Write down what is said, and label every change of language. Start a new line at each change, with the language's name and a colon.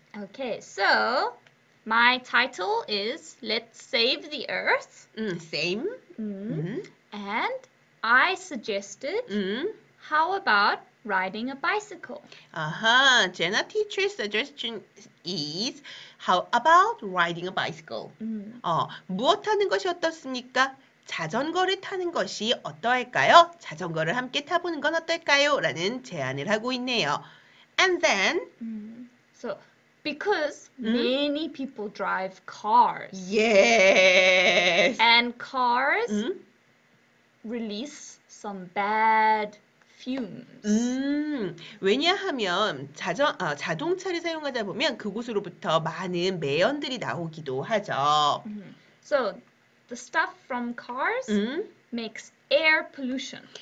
English: Okay, so my title is Let's Save the Earth. Same. And I suggested, how about riding a bicycle? Uh-huh. Jenna teacher's suggestion is, how about riding a bicycle?
Korean: 무엇 하는 것이 어떻습니까? 자전거를 타는 것이 어떨까요? 자전거를 함께 타보는 건 어떨까요? 라는 제안을 하고 있네요.
English: And then, So, because many people drive cars. Yes. And cars, release some bad fumes.
Korean: 왜냐하면 자동차를 사용하다 보면 그곳으로부터 많은 매연들이 나오기도 하죠.
English: So the stuff from cars makes air pollution.